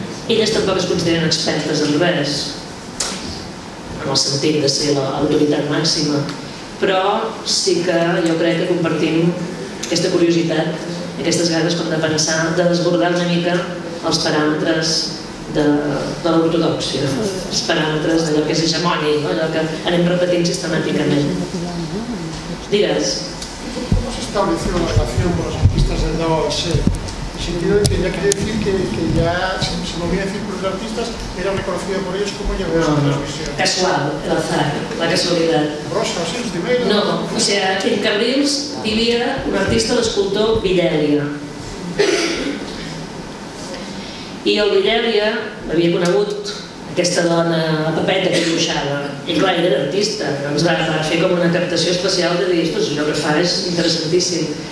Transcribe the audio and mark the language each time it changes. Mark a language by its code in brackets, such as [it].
[ca] Elles tampoc es consideren expertes en res, en el sentit de ser l'autoritat màxima, però sí que jo crec que compartim aquesta curiositat, aquestes ganes com de pensar, de desbordar una mica els paràmetres de l'ortodoxia, els paràmetres d'allò que és hegemònic, no? Allò que anem repetint sistemàticament. Digues. [es] ¿Cómo se establece la relación con los artistas del nuevo ser? En el sentido de que ya quiere decir que ya se movía en círculos de artistas, era reconocido por ellos como llegó a su transmisión. Casual, el azar, la casualidad. Rosa, sí, es de no, o sea, en Cabrils vivía un artista, [ca] l'escultor [es] Villèria. [ca] I el Villèria havia conegut aquesta dona a Pepeta que dibuixava. I clar, ell era artista, doncs va fer com una captació especial de dir, doncs allò que fa és interessantíssim.